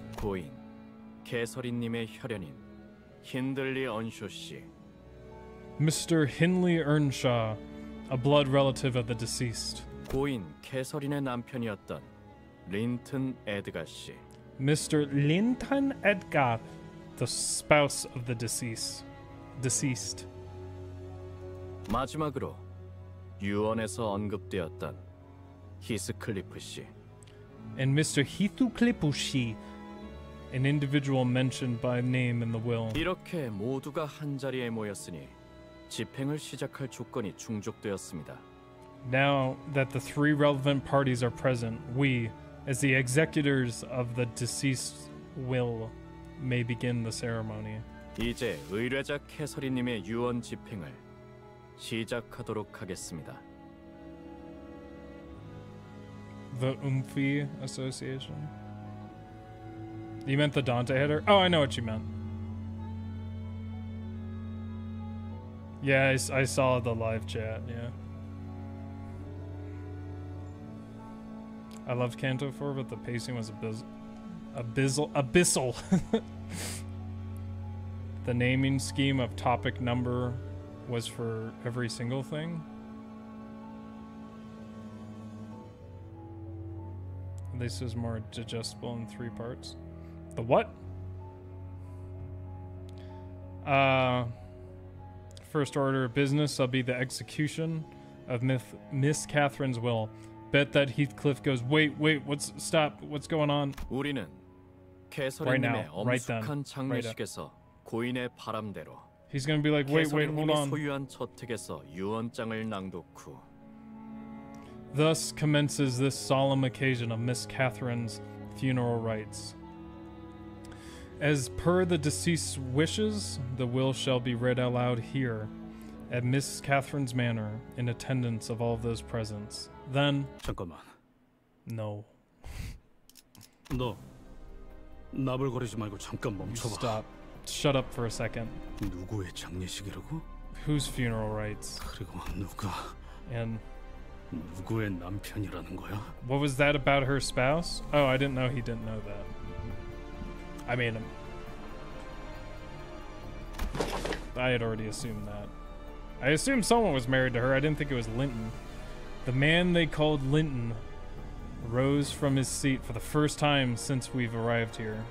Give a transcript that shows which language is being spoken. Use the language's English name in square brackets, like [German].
[Korean] 고인, 개서리님의 혈연인 힌들리 언쇼 씨. [English] Mr. Hindley Earnshaw, a blood relative of the deceased. [Korean] 고인, 개서린의 남편이었던 린튼 에드가 씨. [English] Mr. Linton Edgar, the spouse of the deceased. [Korean] 마지막으로 유언에서 언급되었던 히스클리프 씨. [English] And Mr. Heathcliff 씨, an individual mentioned by name in the will. [Korean] 이렇게 모두가 한 자리에 모였으니 집행을 시작할 조건이 충족되었습니다. [English] Now that the three relevant parties are present, we, as the executors of the deceased's will, may begin the ceremony. [Korean] 이제 의뢰자 캐서린님의 유언 집행을 시작하도록 하겠습니다. [English] The Umphi Association? You meant the Dante header? Oh, I know what you meant. Yeah, I saw the live chat, yeah. I loved Canto 4, but the pacing was abyssal. The naming scheme of topic number was for every single thing. This is more digestible in three parts. The what? First order of business will be the execution of Miss Catherine's will. Bet that Heathcliff goes, wait, what's, stop, what's going on? [Korean] 우리는 캐서린님의 엄숙한 장례식에서 고인의 바람대로 [English] He's gonna be like, wait, hold on. [Korean] 캐서린님의 소유한 저택에서 유언장을 낭독 후 [English] Thus commences this solemn occasion of Miss Catherine's funeral rites. As per the deceased's wishes, the will shall be read aloud here at Miss Catherine's manor in attendance of all of those presents. Then, [Korean] 잠깐만. [English] No. [Korean] 너, 나불거리지 말고 잠깐 멈춰봐. [English] Stop. Shut up for a second. [Korean] 누구의 장례식이라고? [English] Whose funeral rites? [Korean] 그리고 누가? [English] And [Korean] 누구의 남편이라는 거야? [English] What was that about her spouse? Oh, I didn't know he didn't know that. I mean, I had already assumed that. I assumed someone was married to her. I didn't think it was Linton. The man they called Linton rose from his seat for the first time since we've arrived here.